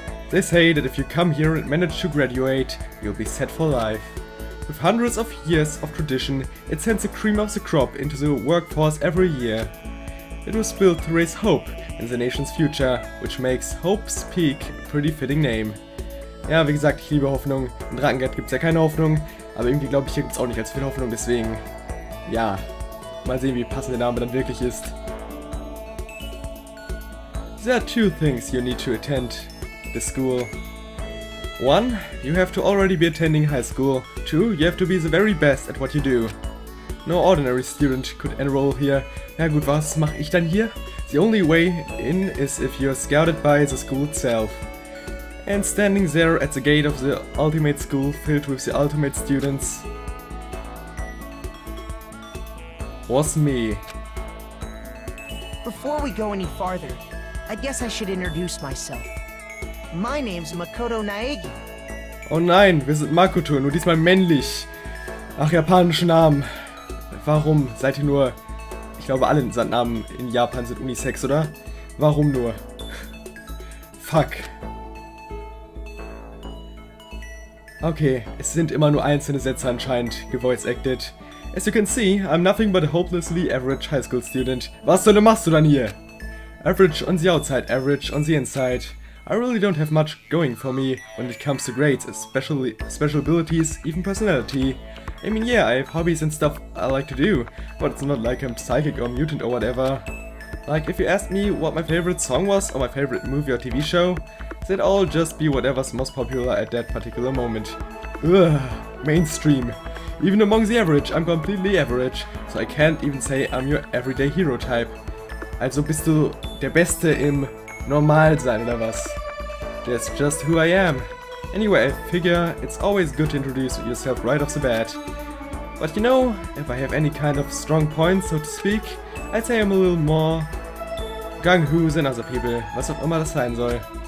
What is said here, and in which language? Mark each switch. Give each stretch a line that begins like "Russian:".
English: They say that if you come here and manage to graduate, you'll be set for life. With hundreds of years of tradition, it sends the cream of the crop into the workforce every year. It was built to raise hope in the nation's future, which makes Hope's Peak a pretty fitting name.
German: Ja, wie gesagt, ich liebe Hoffnung. In Drakengard gibt's ja keine Hoffnung, aber irgendwie glaube ich, hier gibt's auch nicht allzu viel Hoffnung, deswegen... ja. Mal sehen, wie passend der Name dann wirklich ist.
English: There are two things you need to attend the school. One, you have to already be attending high school. Two, you have to be the very best at what you do. No ordinary student could enroll here.
German: Ja gut, was mache ich dann hier?
English: The only way in is if you're scouted by the school itself. And standing there at the gate of the ultimate school filled with the ultimate students. Was me. Before we go any farther, I guess I should introduce myself. My name's Makoto Naegi.
German: Oh nein, wir sind Makoto, nur diesmal männlich. Ach, japanischen Namen. Warum seid ihr nur... Ich glaube, alle Namen in Japan sind unisex, oder? Warum nur? Fuck. Okay, es sind immer nur einzelne Sätze anscheinend gevoice-acted.
English: As you can see, I'm nothing but a hopelessly average high school student.
German: Was soll machst du dann hier?
English: Average on the outside, average on the inside. I really don't have much going for me when it comes to grades, especially special abilities, even personality. I mean, yeah, I have hobbies and stuff I like to do, but it's not like I'm psychic or mutant or whatever. Like, if you asked me what my favorite song was or my favorite movie or TV show, they'd all just be whatever's most popular at that particular moment. Ugh, mainstream. Even among the average, I'm completely average, so I can't even say I'm your everyday hero type.
German: Also bist du der Beste im Normalsein oder was?
English: That's just who I am. Anyway, I figure it's always good to introduce yourself right off the bat. But you know, if I have any kind of strong points, so to speak, I'd say I'm a little more gung-ho than other people,
German: was auch immer das sein soll.